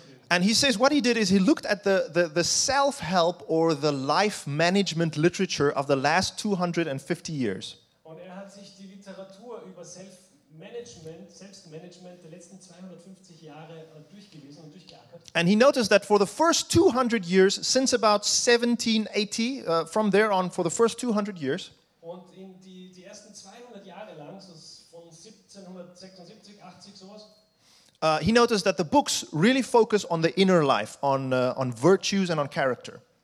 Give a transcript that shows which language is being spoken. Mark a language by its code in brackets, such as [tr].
[en] And he says what he did is he looked at the self-help or the life management literature of the last 250 years. [de] Und er hat sich die Literatur über Selbstmanagement der letzten 250 Jahre durchgelesen und durchgeackert. [en] And he noticed that for the first 200 years, since about 1780, from there on, for the first 200 years, [de] und in die ersten 200 Jahre lang, so von 1776, 80 sowas, [en] He noticed that the books really focus on the inner life, on virtues and on character.